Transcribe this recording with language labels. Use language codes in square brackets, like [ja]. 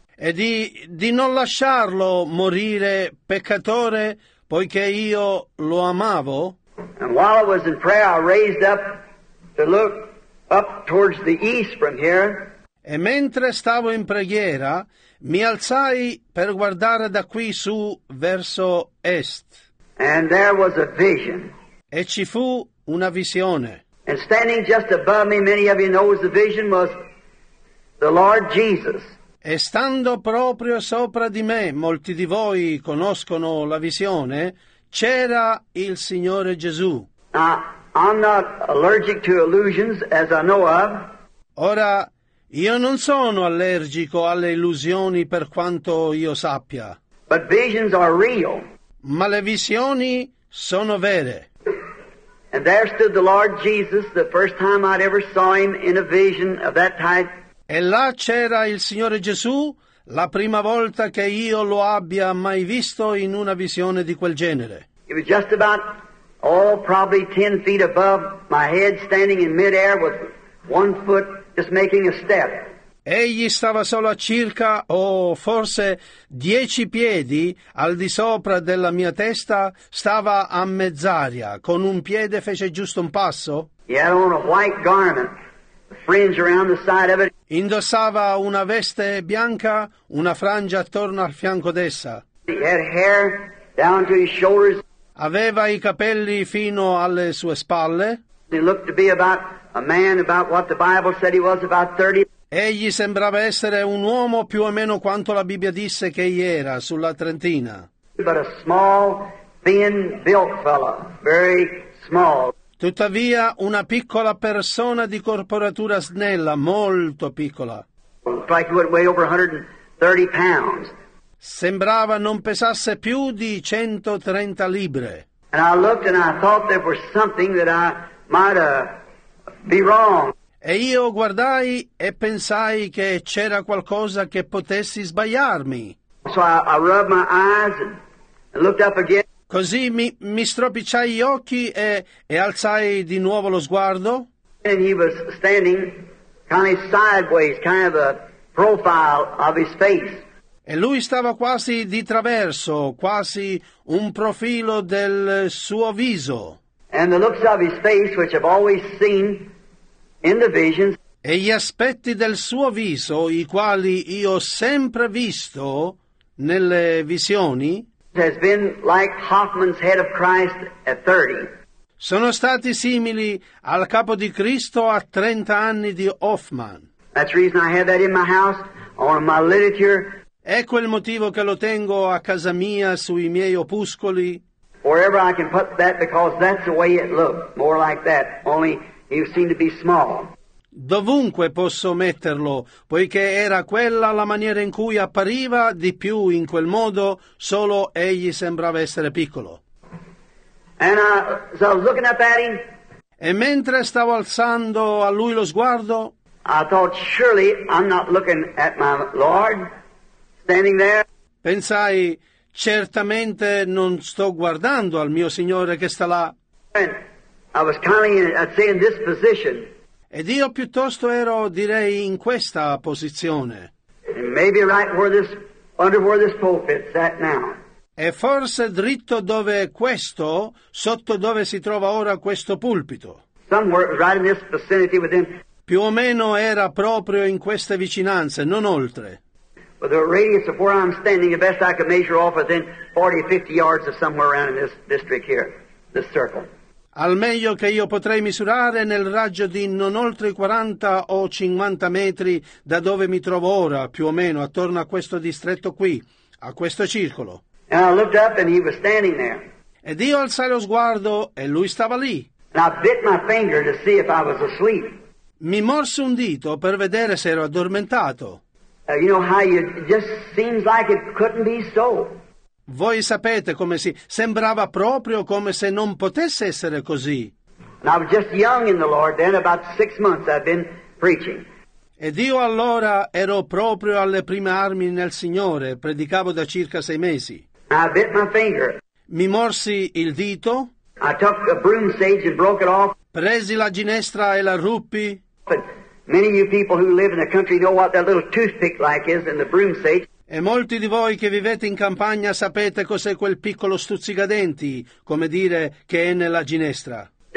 [it] e di non lasciarlo morire peccatore poiché io lo amavo, [en] and while I was in prayer I raised up to look up towards the east from here, [it] e mentre stavo in preghiera mi alzai per guardare da qui su verso est. [en] And there was a vision. [it] E ci fu una visione. [en] And standing just above me, many of you know the vision was the Lord Jesus. [it] E stando proprio sopra di me, molti di voi conoscono la visione, c'era il Signore Gesù. [en] Now, I'm not allergic to illusions as I know of. [it] Ora, io non sono allergico alle illusioni per quanto io sappia. [en] But visions are real. [it] Ma le visioni sono vere. [en] And there stood the Lord Jesus, the first time I'd ever saw him in a vision of that type. [it] E là c'era il Signore Gesù, la prima volta che io lo abbia mai visto in una visione di quel genere. [en] He was just about, probably 10 feet above my head, standing in midair with one foot just making a step. [it] Egli stava solo a circa, o forse 10 piedi, al di sopra della mia testa, stava a mezz'aria. Con un piede fece giusto un passo. [en] He had on a white garment, a fringe around the side of it. [it] Indossava una veste bianca, una frangia attorno al fianco d'essa. [en] He had hair down to his shoulders. [it] Aveva i capelli fino alle sue spalle. [en] He looked to be about a man about what the Bible said he was, about 30. [it] Egli sembrava essere un uomo più o meno quanto la Bibbia disse che egli era, sulla trentina. [en] But a small, thin built fellow, very small. [it] Tuttavia una piccola persona di corporatura snella, molto piccola. [en] Like he would weigh over 130 pounds. [it] Sembrava non pesasse più di 130 libbre. [en] And I looked and I thought there was something that I might be wrong. [it] E io guardai e pensai che c'era qualcosa che potessi sbagliarmi. [en] So I rubbed my eyes and looked up again. [it] Così mi stropicciai gli occhi e alzai di nuovo lo sguardo. [en] And he was standing kind of sideways, kind of a profile of his face. [it] E lui stava quasi di traverso, quasi un profilo del suo viso. [en] And the looks of his face, which I've always seen in the visions, [it] e gli aspetti del suo viso, i quali io ho sempre visto nelle visioni, [en] has been like Hoffman's head of Christ at 30. [it] Sono stati simili al capo di Cristo a 30 anni di Hoffman. [en] That's the reason I have that in my house, on my literature. [it] Ecco il motivo che lo tengo a casa mia, sui miei opuscoli. [en] Wherever I can put that, because that's the way it looked, more like that, only you seem to be small. [it] Dovunque posso metterlo, poiché era quella la maniera in cui appariva di più in quel modo, solo egli sembrava essere piccolo. [en] And so I was looking up at him. [it] E mentre stavo alzando a lui lo sguardo, [en] I thought, surely I'm not looking at my Lord standing there. [it] Pensai, certamente non sto guardando al mio Signore che sta là. [en] And I was kind of, I'd say, in this position. [it] Ed io piuttosto ero, direi, in questa posizione. [en] And maybe right under where this pulpit sat now. [it] E forse dritto dove questo, sotto dove si trova ora questo pulpito. [en] Somewhere right in this vicinity within. [it] Più o meno era proprio in queste vicinanze, non oltre. [en] But the radius of where I'm standing, the best I could measure off within 40 or 50 yards of somewhere around in this district here, this circle. [it] Al meglio che io potrei misurare nel raggio di non oltre 40 o 50 metri da dove mi trovo ora, più o meno, attorno a questo distretto qui, a questo circolo. [en] And I looked up and he was standing there. [it] Ed io alzai lo sguardo e lui stava lì. [en] And I bit my finger to see if I was asleep. [it] Mi morse un dito per vedere se ero addormentato. [en] You know how you, it just seems like it couldn't be so. [it] Voi sapete come si sembrava proprio come se non potesse essere così. [en] I was just young in the Lord then, about 6 months I've been preaching. [it] Ed io allora ero proprio alle prime armi nel Signore, predicavo da circa 6 mesi. [en] I bit my finger. [it] Mi morsi il dito. [en] I took a broom sage and broke it off. [it] Presi la ginestra e la ruppi. [en] But many of you people who live in the country know what that little toothpick like is in the broom sage. [it] E molti di voi che vivete in campagna sapete cos'è quel piccolo stuzzicadenti, come dire, che è nella ginestra.